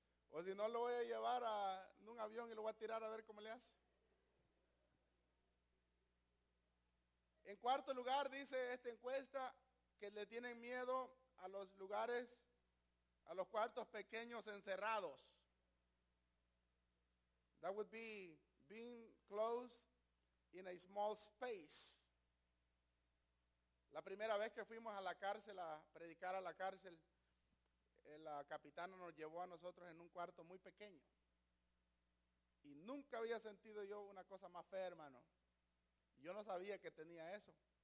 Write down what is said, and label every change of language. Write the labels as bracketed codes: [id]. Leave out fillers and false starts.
[es] O si no, lo voy a llevar en un avión y lo voy a tirar a ver cómo le hace. En cuarto lugar dice esta encuesta que le tienen miedo a los lugares, a los cuartos pequeños encerrados. [en] That would be being closed in a small space. [es] La primera vez que fuimos a la cárcel a predicar a la cárcel, la capitana nos llevó a nosotros en un cuarto muy pequeño. Y nunca había sentido yo una cosa más fea, hermano. Yo no sabía que tenía eso.